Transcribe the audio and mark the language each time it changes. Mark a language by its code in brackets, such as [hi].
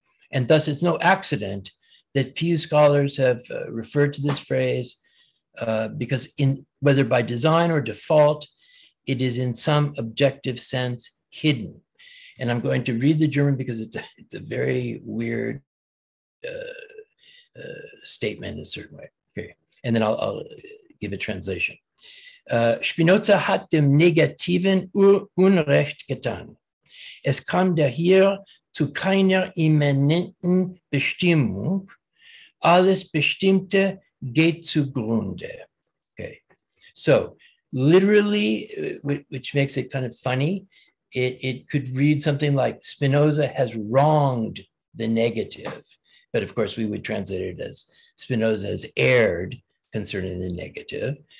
[en] And thus it's no accident that few scholars have referred to this phrase because whether by design or default, it is in some objective sense hidden. And I'm going to read the German because it's a very weird statement in a certain way. Okay. And then I'll give a translation. [de] Spinoza hat dem Negativen Unrecht getan. Es kam daher zu keiner immanenten Bestimmung. Alles Bestimmte geht zugrunde. Okay. [en] So literally, which makes it kind of funny, it could read something like Spinoza has wronged the negative. But of course, we would translate it as Spinoza has erred concerning the negative.